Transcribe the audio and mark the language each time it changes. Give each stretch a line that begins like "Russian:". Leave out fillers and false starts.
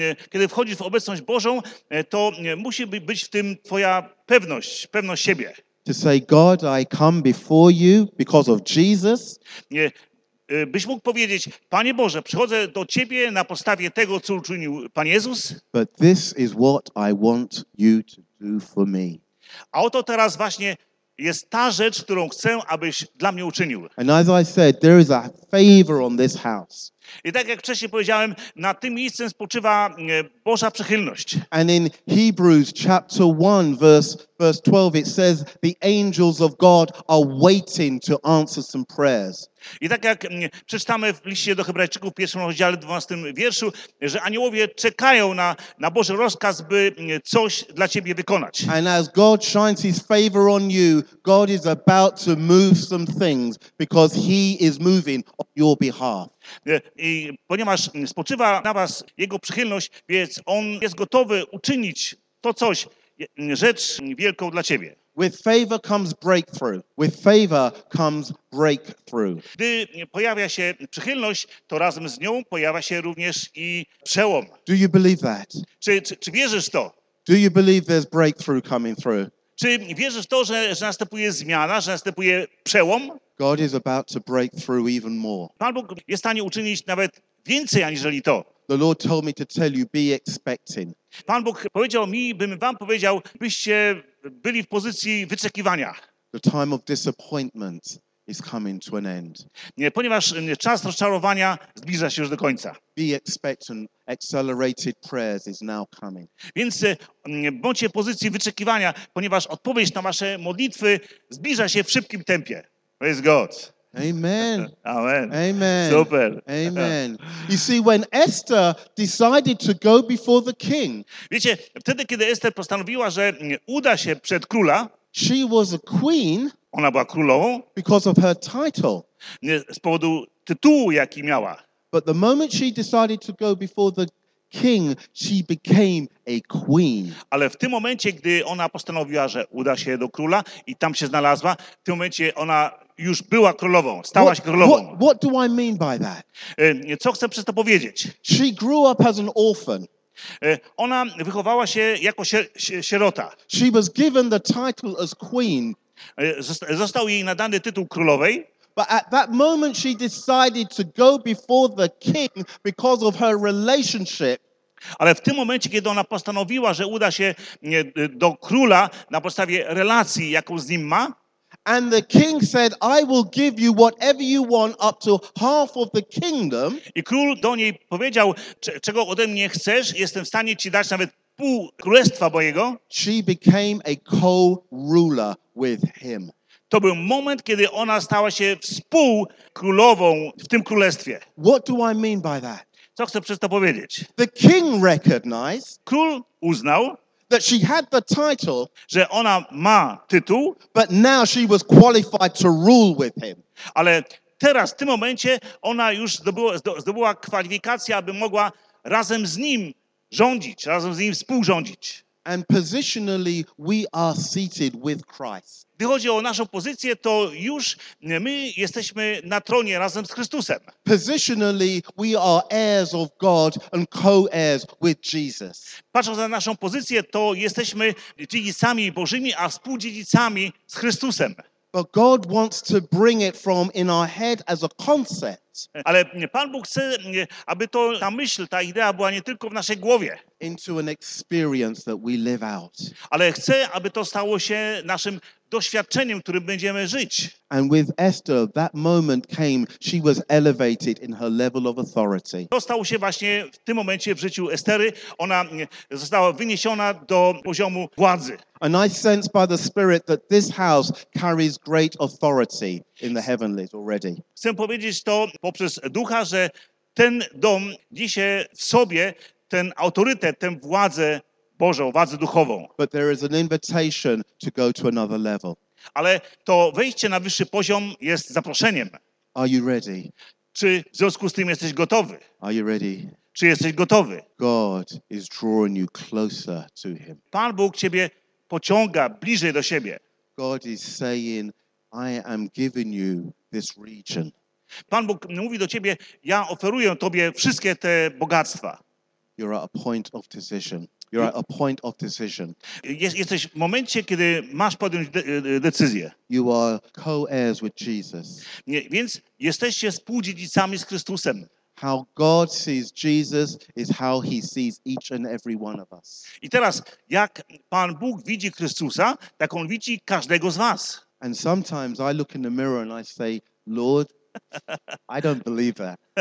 Polish: Kiedy wchodzisz w obecność Bożą, to musi być w tym twoja pewność siebie.
English: To say, God, I come before you because of Jesus.
Polish: Nie, byś mógł powiedzieć, Panie Boże, przychodzę do ciebie na podstawie tego, co uczynił Pan Jezus.
English: But this is what I want you to do for me.
Polish: A oto teraz właśnie jest ta rzecz, którą chcę, abyś dla mnie uczynił.
English: And as I said, there is a favor on this house.
Polish: I tak jak wcześniej powiedziałem, na tym miejscu spoczywa Boża przychylność.
English: And in Hebrews chapter 1 verse 12 it says the angels of God are waiting to answer some prayers.
Polish: I tak jak przeczytamy w liście do Hebrajczyków w 1 rozdziale 12 wierszu, że aniołowie czekają na Boży rozkaz, by coś dla ciebie wykonać.
English: And as God shines his favor on you, God is about to move some things because he is moving on your behalf.
Polish: I ponieważ spoczywa na was jego przychylność, więc on jest gotowy uczynić to coś, rzecz wielką dla ciebie.
English: With favor comes breakthrough. With favor comes breakthrough.
Polish: Gdy pojawia się przychylność, to razem z nią pojawia się również i przełom.
English: Do you believe that?
Polish: Czy wierzysz to?
English: Do you believe there's breakthrough coming through?
Polish: Czy wierzysz to, że następuje zmiana, że następuje przełom?
English: God is about to break through even more.
Polish: Pan Bóg jest w stanie uczynić nawet więcej aniżeli to.
English: The Lord told me to tell you, be expecting.
Polish: Pan Bóg powiedział mi, bym wam powiedział, byście byli w pozycji wyczekiwania.
English: The time of disappointment is coming to an end.
Polish: Nie, ponieważ czas rozczarowania zbliża się już do końca.
English: Be expectant. Accelerated prayers is now coming.
Polish: Więc bądźcie w pozycji wyczekiwania, ponieważ odpowiedź na wasze modlitwy zbliża się w szybkim tempie.
English: Praise God. Amen. Amen. Amen. Super. Amen. You see, when Esther decided to go before the king,
Polish: wiecie, wtedy, kiedy Esther postanowiła, że uda się przed króla,
English: she was a queen,
Polish: ona była królową,
English: because of her title.
Polish: Nie, z powodu tytułu, jaki miała.
English: But the moment she decided to go before the king, she became a queen.
Polish: Ale w tym momencie, gdy ona postanowiła, że uda się do króla i tam się znalazła, w tym momencie ona już była królową, stała się królową.
English: What do I mean by that?
Polish: Co chcę przez to powiedzieć?
English: She grew up as an orphan.
Polish: Ona wychowała się jako sierota.
English: She was given the title as queen.
Polish: Został jej nadany tytuł królowej.
English: But at that moment she decided to go before the king because of her relationship.
Polish: Ale w tym momencie, kiedy ona postanowiła, że uda się do króla na podstawie relacji, jaką z nim ma,
English: and the king said, I will give you whatever you want up to half of the kingdom.
Polish: I król do niej powiedział, czego ode mnie chcesz, jestem w stanie ci dać nawet pół królestwa mojego.
English: She became a co-ruler with him.
Polish: To był moment, kiedy ona stała się współkrólową w tym królestwie.
English: What do I mean by that?
Polish: Co chcę przez to powiedzieć?
English: The king recognized,
Polish: król uznał,
English: that she had the title,
Polish: że ona ma tytuł,
English: but now she was qualified to rule with him.
Polish: Ale teraz, w tym momencie, ona już zdobyła kwalifikację, aby mogła razem z nim rządzić, razem z nim współrządzić.
English: And positionally we are seated with Christ.
Polish: Gdy chodzi o naszą pozycję, to już my jesteśmy na tronie razem z Chrystusem.
English: Positionally we are heirs of God and co-heirs with Jesus.
Polish: Patrząc na naszą pozycję, to jesteśmy dziedzicami Bożymi, a współdziedzicami z Chrystusem.
English: But God wants to bring it from in our head as a concept.
Polish: Ale Pan Bóg chce, aby to ta myśl, ta idea była nie tylko w naszej głowie.
English: Into an experience that we live out.
Polish: Ale chce, aby to stało się naszym doświadczeniem, którym będziemy żyć.
English: And with Esther, that moment came. She was elevated in her level of authority.
Polish: To stało się właśnie w tym momencie w życiu Estery. Ona została wyniesiona do poziomu władzy.
English: And I sense by the Spirit that this house carries great authority in the heavenlies already.
Polish: Chcę powiedzieć to poprzez Ducha, że ten dom niesie w sobie ten autorytet, tę władzę Bożą, władzę duchową.
English: But there is an invitation to go to another level.
Polish: Ale to wejście na wyższy poziom jest zaproszeniem.
English: Are you ready?
Polish: Czy w związku z tym jesteś gotowy?
English: Are you ready?
Polish: Czy jesteś gotowy?
English: God is drawing you closer to him.
Polish: Pan Bóg ciebie pociąga bliżej do siebie.
English: God is saying, I am giving you this region.
Polish: Pan Bóg mówi do ciebie, ja oferuję tobie wszystkie te bogactwa.
English: You're at a point of decision. You're at a point of decision.
Polish: Jesteś w momencie, kiedy masz podjąć decyzję.
English: You are co-heirs with Jesus.
Polish: Więc jesteście współdziedzicami z Chrystusem.
English: How God sees Jesus is how he sees each and every one of us.
Polish: I teraz, jak Pan Bóg widzi Chrystusa, tak on widzi każdego z was.
English: And sometimes I look in the mirror and I say, Lord, I don't believe that.